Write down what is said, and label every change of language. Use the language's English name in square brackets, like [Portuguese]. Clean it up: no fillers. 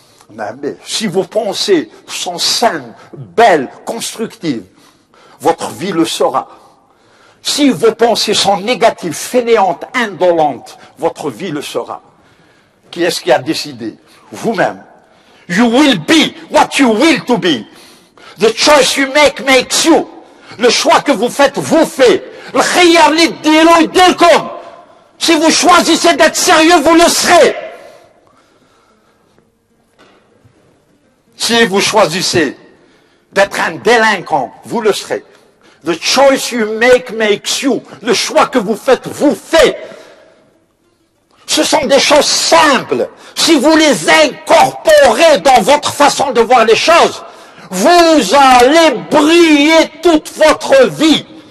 [French] Mais si vos pensées sont saines, belles, constructives, votre vie le sera. Si vos pensées sont négatives, fainéantes, indolentes, votre vie le sera. Qui est-ce qui a décidé? Vous-même. [English] You will be what you will to be. The choice you make makes you. [French] Le choix que vous faites, vous fait. [Arabic] Le khayar li dilo dilkom. [French] Si vous choisissez d'être sérieux, vous le serez. Si vous choisissez d'être un délinquant, vous le serez. [English] The choice you make makes you. [French] Le choix que vous faites, vous fait. Ce sont des choses simples. Si vous les incorporez dans votre façon de voir les choses, vous allez briller toute votre vie.